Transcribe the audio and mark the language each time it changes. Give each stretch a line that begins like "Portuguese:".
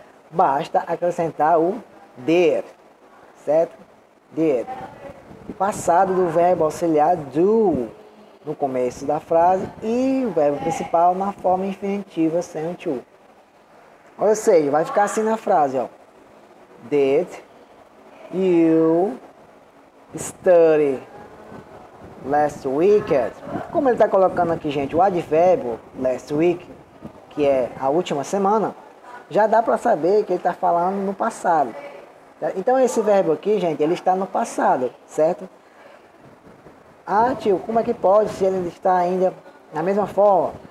Portuguese: Basta acrescentar o did, certo? Did. Passado do verbo auxiliar do no começo da frase e o verbo principal na forma infinitiva sem o to. Ou seja, vai ficar assim na frase, ó.
English: Did you study last weekend?
Portuguese: Como ele está colocando aqui, gente, o advérbio
English: last week,
Portuguese: que é a última semana, já dá para saber que ele está falando no passado. Então, esse verbo aqui, gente, ele está no passado, certo? Ah, tio, como é que pode se ele está ainda na mesma forma?